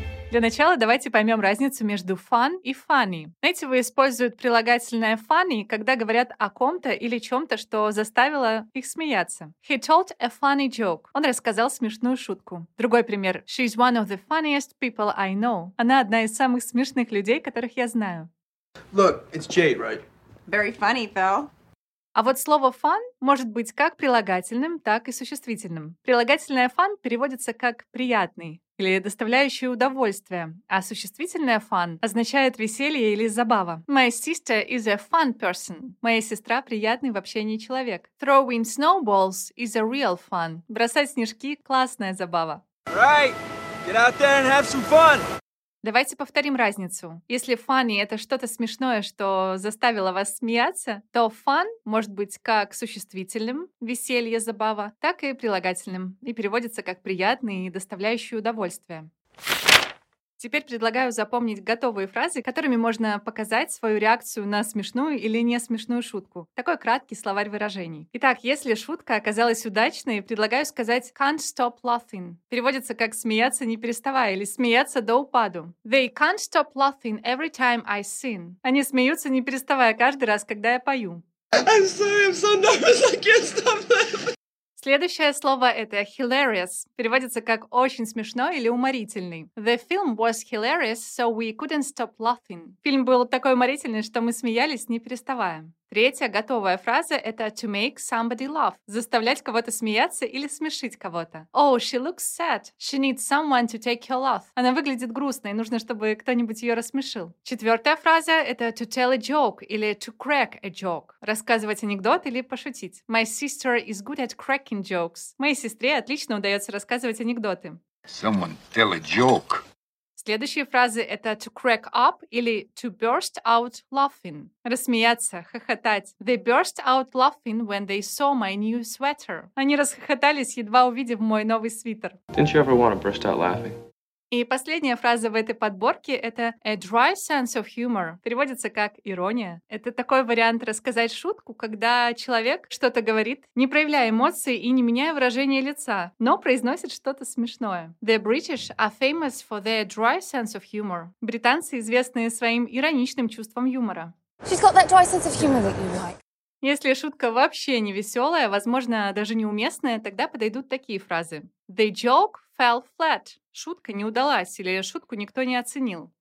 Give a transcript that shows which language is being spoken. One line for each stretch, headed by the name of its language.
Russian: Для начала давайте поймем разницу между fun и funny. Знаете, вы используют прилагательное funny, когда говорят о ком-то или чем-то, что заставило их смеяться.
English: He told a funny joke.
Russian: Он рассказал смешную шутку. Другой пример.
English: She's one of the funniest people I know.
Russian: Она одна из самых смешных людей, которых я знаю.
English: Look, it's Jade, right? Very funny, pal.
Russian: А вот слово fun может быть как прилагательным, так и существительным. Прилагательное fun переводится как приятный или доставляющее удовольствие, а существительное fun означает веселье или забава.
English: My sister is a fun person.
Russian: Моя сестра приятный в общении человек.
English: Throwing snowballs is a real fun.
Russian: Бросать снежки – классная забава.
English: All right, get out there and have some fun.
Russian: Давайте повторим разницу. Если funny – это что-то смешное, что заставило вас смеяться, то fun может быть как существительным – веселье, забава, так и прилагательным, и переводится как приятный и доставляющий удовольствие. Теперь предлагаю запомнить готовые фразы, которыми можно показать свою реакцию на смешную или не смешную шутку. Такой краткий словарь выражений. Итак, если шутка оказалась удачной, предлагаю сказать
English: «can't stop laughing».
Russian: Переводится как «смеяться не переставая» или «смеяться до упаду».
English: «They can't stop laughing every time I sing».
Russian: Они смеются не переставая каждый раз, когда я пою.
English: I'm sorry, I'm so nervous, I can't stop laughing.
Russian: Следующее слово – это hilarious. Переводится как «очень смешной» или «уморительный».
English: The film was hilarious, so we couldn't stop laughing.
Russian: Фильм был такой уморительный, что мы смеялись, не переставая. Третья готовая фраза – это
English: to make somebody laugh.
Russian: Заставлять кого-то смеяться или смешить кого-то.
English: Oh, she looks sad. She needs someone to take her laugh.
Russian: Она выглядит грустно, и нужно, чтобы кто-нибудь ее рассмешил. Четвертая фраза – это
English: to tell a joke
Russian: или
English: to crack a joke.
Russian: Рассказывать анекдот или пошутить.
English: My sister is good at cracking jokes.
Russian: Моей сестре отлично удается рассказывать анекдоты.
English: Someone tell a joke.
Russian: Следующие фразы – это
English: to crack up
Russian: или
English: to burst out laughing.
Russian: Рассмеяться, хохотать.
English: They burst out laughing when they saw my new sweater.
Russian: Они расхохотались, едва увидев мой новый свитер.
English: Didn't you ever want to burst out laughing?
Russian: И последняя фраза в этой подборке – это
English: a dry sense of humor.
Russian: Переводится как ирония. Это такой вариант рассказать шутку, когда человек что-то говорит, не проявляя эмоций и не меняя выражения лица, но произносит что-то смешное.
English: The British are famous for their dry sense of humor.
Russian: Британцы известны своим ироничным чувством юмора.
English: She's got that dry sense of humor that you like.
Russian: Если шутка вообще не веселая, возможно, даже неуместная, тогда подойдут такие фразы.
English: The joke fell flat.
Russian: Шутка не удалась или шутку никто не оценил.